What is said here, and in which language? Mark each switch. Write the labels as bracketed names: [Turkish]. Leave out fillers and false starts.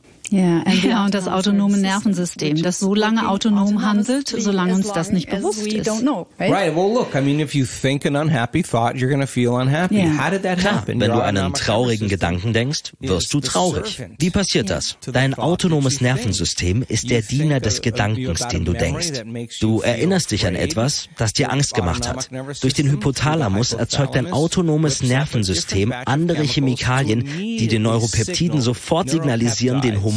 [German] Ja, und das autonome Nervensystem, das so lange autonom handelt, solange uns das nicht bewusst ist. [English] Right, well look, I mean, if you think an unhappy thought, you're going to feel unhappy. How did that happen? [German] Wenn du einen traurigen Gedanken denkst, wirst du traurig. Wie passiert das? Dein autonomes Nervensystem ist der Diener des Gedankens, den du denkst. Du erinnerst dich an etwas, das dir Angst gemacht hat. Durch den Hypothalamus erzeugt dein autonomes Nervensystem andere Chemikalien, die den Neuropeptiden sofort signalisieren, den Hormonen